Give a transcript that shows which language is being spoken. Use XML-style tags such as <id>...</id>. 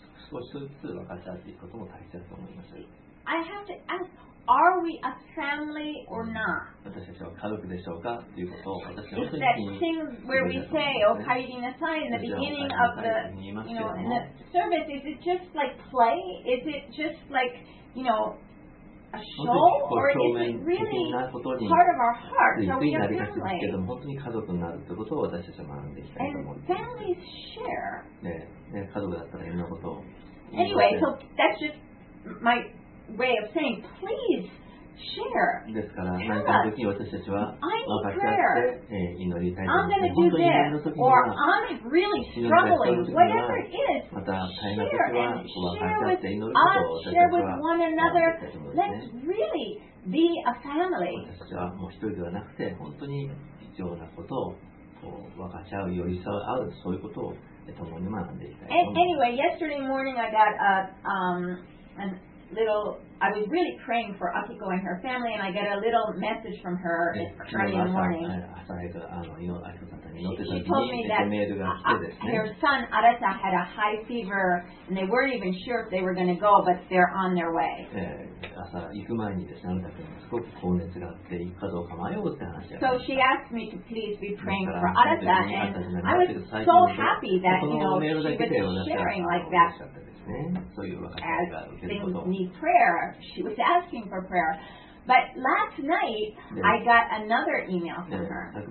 <ja>少しずつ分かち合っていくことも大切だと思います。</ja> <en>I have to ask, are we a family or not?</en> <ja>私たちは家族でしょうかということを私たちは本当に</ja> <en>That thing where we say, oh, hiding aside in the beginning of the, you know, in the service, is it just like play? Is it just like, you know, a show? Or is it really part of our heart? So we are family.</en> <ja>本当に家族になるということを私たちは学んでいきたいと思います。</ja> <en>And families share.</en> <ja>ね、</ja> <en>anyway, so that's just my way of saying, please share.</en> <ja>ですから、何かの時私たちは、分かち合って、祈りたい。</ja> <en>I'm gonna do this, or I'm really struggling, whatever it is.</en> <ja>また、</ja> <en>share and share with us, share with one another. Let's really be a family.</en> <ja>私たちはもう一人ではなくて、本当に必要なことを。こう分かち合う、寄り添う、合う、そういうことを共に学んでいきたい。</ja> <en>Anyway, yesterday morning I got a, a little, I was really praying for Akiko and her family, and I got a little message from her early in the morning.</en> <ja>朝早く祈ってた時にメールが来てですね。</ja> <en>Her son Arata had a high fever, and they weren't even sure if they were going to go, but they're on their way.</en> <ja>朝行く前にですね、Arata君すごく高熱があって行くかどうか迷うって話で。</ja> <en>So she asked me to please be praying for Arata, and I was so happy that you know she was sharing like that. As things need prayer, she was asking for prayer. But last night, I got another email from her.</en>